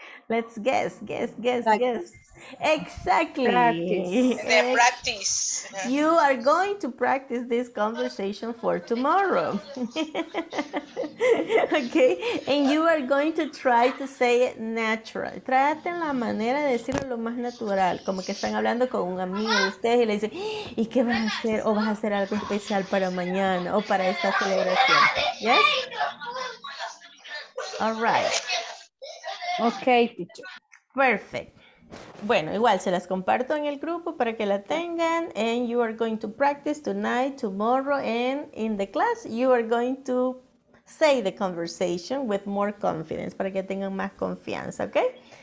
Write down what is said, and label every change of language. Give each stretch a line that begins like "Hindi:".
English: Let's guess. Exactly. Practice. You are going to practice this conversation for tomorrow. Okay. And you are going to try to say it natural.
Spanish: Traten la manera de decirlo lo más natural. Como que están hablando con un amigo de ustedes y le dicen, ¿y qué vas a hacer? ¿O vas a hacer algo especial para mañana o para esta celebración?
English: Yes? All right. Okay, teacher. Perfect.
Spanish: Bueno, igual se las comparto en el grupo para que la tengan.
English: And you are going to practice tonight, tomorrow, and in the class, you are going to say the conversation with more confidence,
Spanish: para que tengan más confianza,
English: okay?